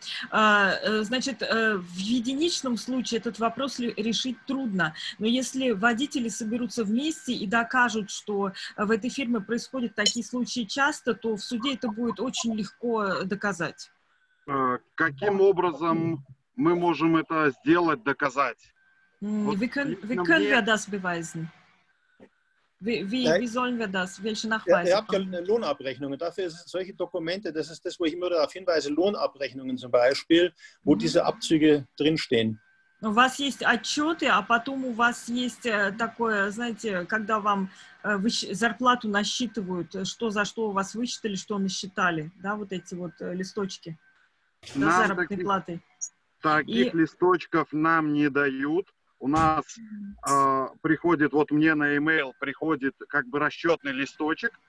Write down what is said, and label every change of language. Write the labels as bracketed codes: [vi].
[ru] Значит, в единичном случае этот вопрос решить трудно. Но если водители соберутся вместе и докажут, что в этой фирме происходят такие случаи часто, то в суде это будет очень легко доказать. Каким образом мы можем это сделать, доказать? [de] Wie können wir das beweisen? Wie sollen wir das? Welche Nachweise? Ihr habt ja eine Lohnabrechnung. Dafür sind solche Dokumente, das ist das, wo ich immer darauf hinweise, Lohnabrechnungen zum Beispiel, wo diese Abzüge drinstehen. [ru] У вас есть отчеты, а потом у вас есть такое, знаете, когда вам зарплату насчитывают, что за что у вас высчитали, что насчитали, да, вот эти вот листочки на заработной платы. Таких листочков нам не дают. У нас приходит, вот мне на e-mail приходит как бы расчетный листочек.